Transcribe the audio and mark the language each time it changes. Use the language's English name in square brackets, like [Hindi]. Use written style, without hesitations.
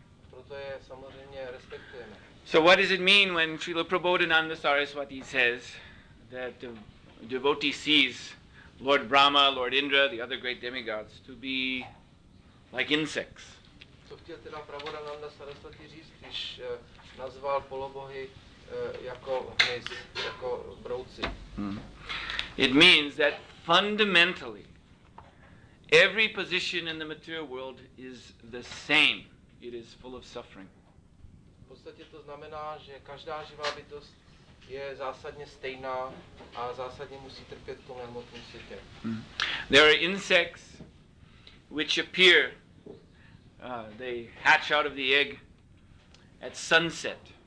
[Czech] Proto je samozřejmě respektujeme. [English] So what does it mean when Srila Prabhudananda Saraswati says that the devotee sees Lord Brahma, Lord Indra, the other great demigods to be like insects? [Czech] Co chtěl teda Prabhudananda Saraswati říct, když nazval polobohy jako hmyz, jako brouci? [English] It means that fundamentally every position in the material world is the same. It is full of suffering. [Czech] V podstatě to znamená, že každá živá bytost je zásadně stejná a zásadně musí trpět v tom hmotném světě. [English] There are insects which appear, they hatch out of the egg at sunset.